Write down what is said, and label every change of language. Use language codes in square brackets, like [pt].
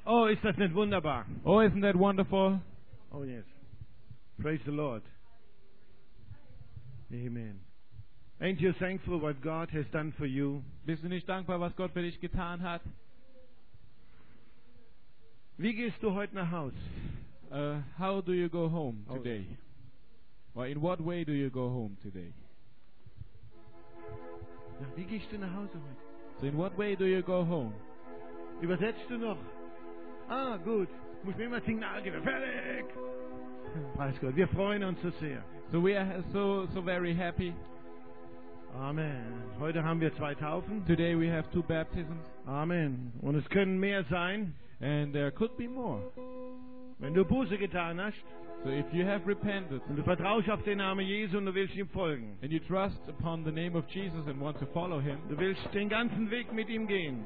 [de] ist das nicht wunderbar? [en] Oh, isn't that wonderful? Oh, yes. Praise the Lord. Amen. Ain't you thankful what God has done for you? [de] Bist du nicht dankbar, was Gott für dich getan hat? Wie gehst du heute nach Haus? [en] How do you go home today? Or in what way do you go home today? [de] Ja, wie gehst du nach Hause heute? [en] So in what way do you go home? [de] Übersetzt du noch? Ah, gut. Muss mir immer Signal geben. Fertig! [en] Praise God. [de] Wir freuen uns so sehr. [en] So we are so very happy. [de] Amen. Heute haben wir zwei Taufen. [en] Today we have two baptisms. [de] Amen. Und es können mehr sein. [en] And there could be more. [de] Wenn du Buße getan hast, [en] so if you have repented, [de] und du vertraust auf den Namen Jesu und du willst ihm folgen, [en] and you trust upon the name of Jesus and want to follow him, [de] du willst den ganzen Weg mit ihm gehen,